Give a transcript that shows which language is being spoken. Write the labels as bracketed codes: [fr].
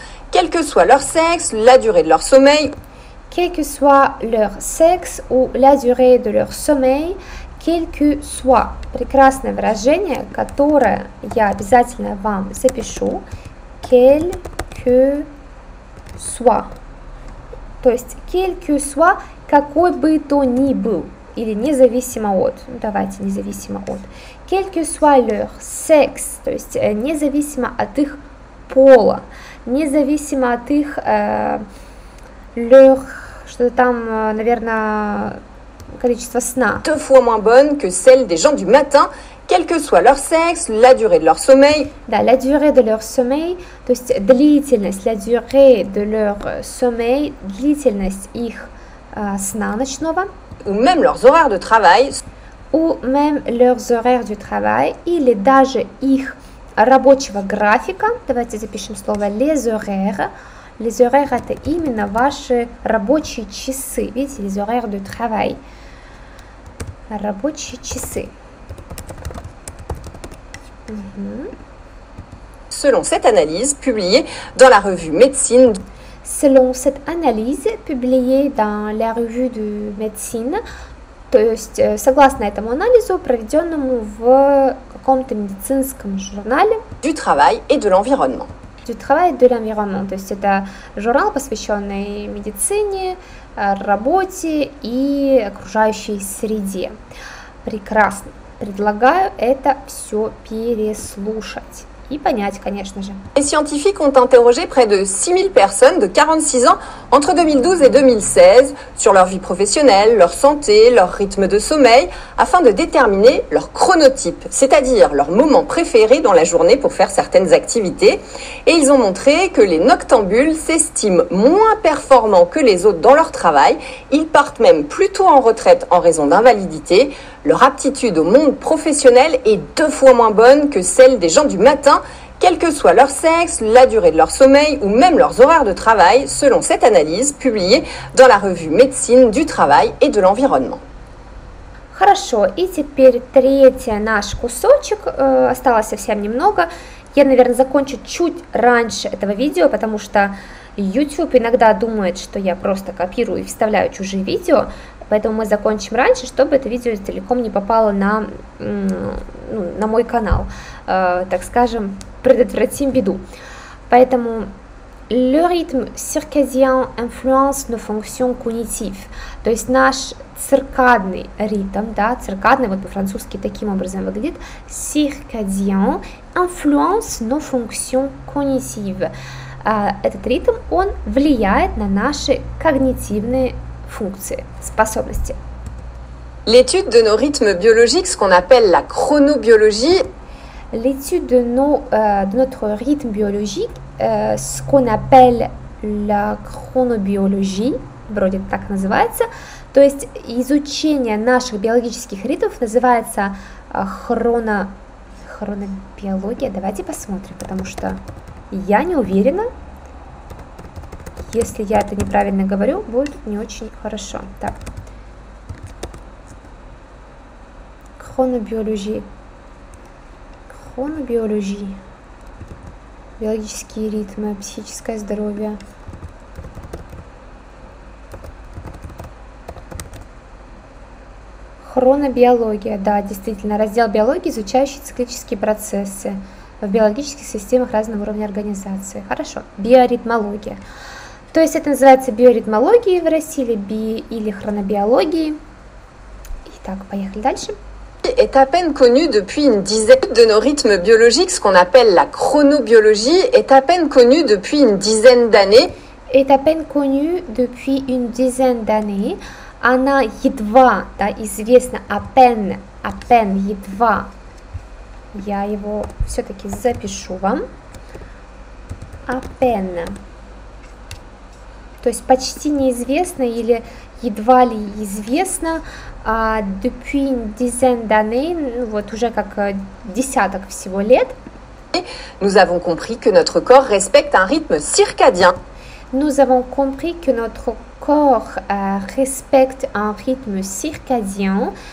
[fr] Quel que soit leur sexe, la durée de leur sommeil. Quel que soit leur sexe ou la durée de leur sommeil, quel que soit. [ru] Прекрасное выражение, которое я обязательно вам запишу. [fr] Quel que soit. [ru] То есть, [fr] quel que soit, [ru] какой бы то ни был. Или независимо от. Давайте, независимо от. [fr] Quel que soit leur sexe. [ru] То есть, независимо от их пола. Независимо от их... [fr] leur... [ru] Что-то там, наверное, количество сна. [fr] Deux fois moins bonne que celle des gens du matin, quel que soit leur sexe, la durée de leur sommeil. [ru] Да, [fr] la durée de leur sommeil, [ru] то есть длительность, [fr] la durée de leur sommeil, [ru] длительность их сна ночного. [fr] Ou même leurs horaires de travail. Ou même leurs horaires du travail, [ru] или даже их рабочего графика. Давайте запишем слово [fr] les horaires. Les horaires, [ru] это именно ваши рабочие часы. Видите, [fr] les horaires de travail. [ru] Рабочие часы. [fr] Selon cette analyse, publiée dans la revue Médecine. Selon cette analyse, publiée dans la revue de médecine. [ru] То есть, согласно этому анализу, проведенному в каком-то медицинском журнале. [fr] Du travail et de l'environnement. Du travail de l'environnement, [ru] то есть это журнал, посвященный медицине, работе и окружающей среде. Прекрасно. Предлагаю это все переслушать и понять, конечно же. [fr] Les scientifiques ont interrogé près de 6000 personnes de 46 ans entre 2012 et 2016 sur leur vie professionnelle, leur santé, leur rythme de sommeil, afin de déterminer leur chronotype, c'est-à-dire leur moment préféré dans la journée pour faire certaines activités. Et ils ont montré que les noctambules s'estiment moins performants que les autres dans leur travail. Ils partent même plutôt en retraite en raison d'invalidité. Leur aptitude au monde professionnel est deux fois moins bonne que celle des gens du matin, quel que soit leur sexe, la durée de leur sommeil ou même leurs horaires de travail, selon cette analyse publiée dans la revue Médecine du travail et de l'environnement. [ru] Хорошо, и теперь третий наш кусочек, осталось совсем немного. Я, наверное, закончу чуть раньше этого видео, потому что YouTube иногда думает, что я просто копирую и вставляю чужие видео. Поэтому мы закончим раньше, чтобы это видео целиком не попало на мой канал. Так скажем, предотвратим беду. Поэтому [fr] le rythme circadien influence nos fonctions cognitives. [ru] То есть наш циркадный ритм, да, циркадный, вот по-французски таким образом выглядит, [fr] circadien influence nos fonctions cognitives. [ru] Этот ритм, он влияет на наши когнитивные функции, способности. [fr] L'étude de nos rythmes biologiques, ce qu'on appelle la chronobiologie. L'étude de notre rythme biologique, ce qu'on appelle la chronobiologie, [ru] вроде так называется. То есть изучение наших биологических ритмов называется хронобиология. Давайте посмотрим, потому что я не уверена. Если я это неправильно говорю, будет не очень хорошо. Так. Хронобиология. Биологические ритмы, психическое здоровье. Хронобиология. Да, действительно, раздел биологии, изучающий циклические процессы в биологических системах разного уровня организации. Хорошо. Биоритмология. То есть это называется биоритмологией в России или или хронобиологией. Итак, поехали дальше. [fr] Est à peine connu depuis une dizaine de nos rythmes biologiques, ce qu'on appelle la chronobiologie, est à peine connu depuis une dizaine d'années. Est à peine connu depuis une dizaine d'années. [ru] Она едва, да, известна [fr] à peine, [ru] едва. Я его все-таки запишу вам. [fr] À peine. [ru] То есть почти неизвестно или едва ли известно [fr] depuis une dizaine d'années, [ru] вот уже как десяток всего лет. [fr] Nous avons compris que notre corps respecte un rythme circadien. Nous avons compris que notre corps respecte un rythme circadien.